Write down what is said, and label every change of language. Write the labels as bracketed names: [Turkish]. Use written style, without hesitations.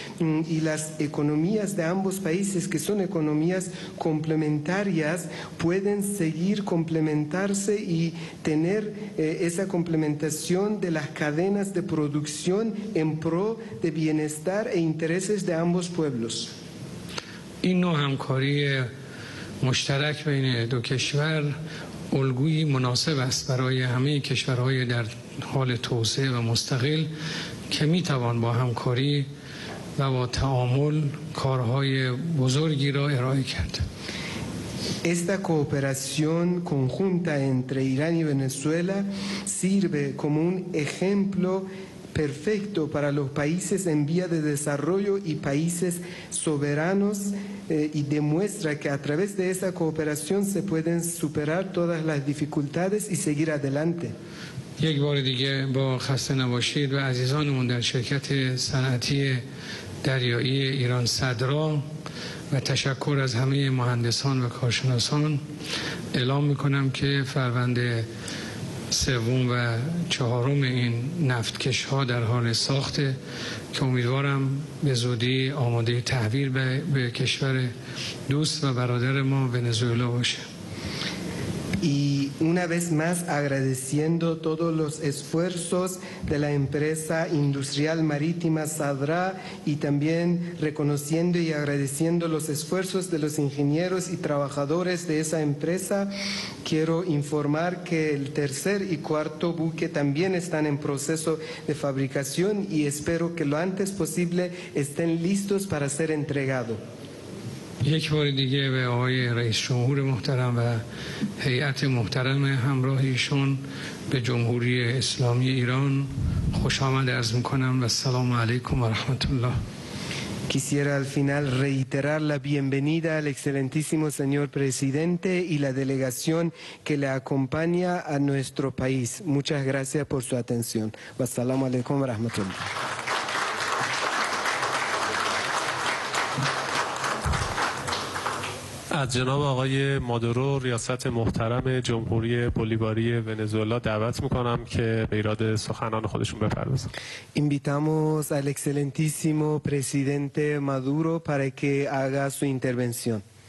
[Spanish] y las economías de ambos países, que son economías complementarias, pueden seguir complementarse y tener esa complementación de las cadenas de producción en pro de bienestar e intereses de ambos pueblos. [Persian] این نوع همکاری مشترک بین دو کشور الگویی مناسب است برای همه کشورهای در حال توسعه و مستقل که می توان با همکاری و با تعامل کارهای بزرگی را ارائه کرد. [Spanish] Esta cooperación conjunta entre Irán y Venezuela sirve como un ejemplo perfecto para los países en vía de desarrollo y países soberanos y demuestra que a través de esa cooperación se pueden superar todas las dificultades y seguir adelante. [Persian] یک بار دیگه با خسته نباشید و عزیزانمون در شرکت صنعتی دریایی ایران صدرا و تشکر از همه مهندسان و کارشناسان اعلام میکنم که فروند سوم و چهارم این نفتکش ها در حال ساخت که امیدوارم به زودی آماده تحویل به کشور دوست و برادر ما ونزوئلا باشه. [Spanish] Y una vez más agradeciendo todos los esfuerzos de la empresa industrial marítima Sadra y también reconociendo y agradeciendo los esfuerzos de los ingenieros y trabajadores de esa empresa, quiero informar que el tercer y cuarto buque también están en proceso de fabricación y espero que lo antes posible estén listos para ser entregado. [Persian] یک بار دیگه به آقای رئیس جمهور محترم و هیئت محترم همراه ایشون به جمهوری اسلامی ایران خوش آمد عرض میکنم و سلام علیکم و رحمت الله. [Spanish] Quisiera al final reiterar la bienvenida al excelentísimo señor presidente y la delegación que le acompaña a nuestro país. Muchas gracias por su atención. [Arabic] Wassalamu alaikum wa rahmatullah. [Persian] از جناب آقای مادورو ریاست محترم جمهوری بولیواری ونزوئلا دعوت میکنم که به ایراد سخنان خودشون بپردازن. [Spanish] Invitamos al excelentísimo presidente Maduro para que haga su intervención.